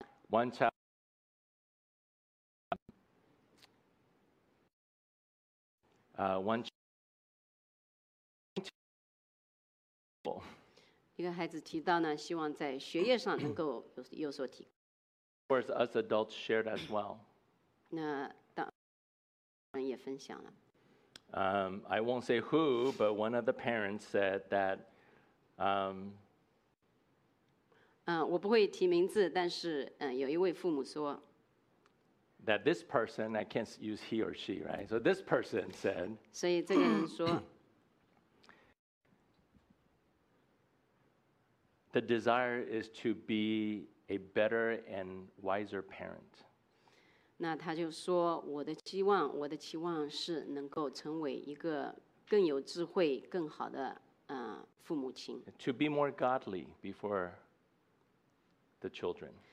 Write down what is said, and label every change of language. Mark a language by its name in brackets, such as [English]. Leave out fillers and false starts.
[English] One child. One [Chinese] child. 一个孩子提到呢，希望在学业上能够有所提高。 [English] Of course, us adults shared as well. [Chinese] 那当然也分享了。 [English] I won't say who, but one of the parents said that. [Chinese] 我不会提名字，但是有一位父母说。 [English] That this person, I can't use he or she, right? So this person said. [Chinese] 所以这个人说。 [English] The desire is to be. A better and wiser parent. [Chinese] 那他就说，我的期望是能够成为一个更有智慧、更好的父母亲。 [English] To be more godly before the children.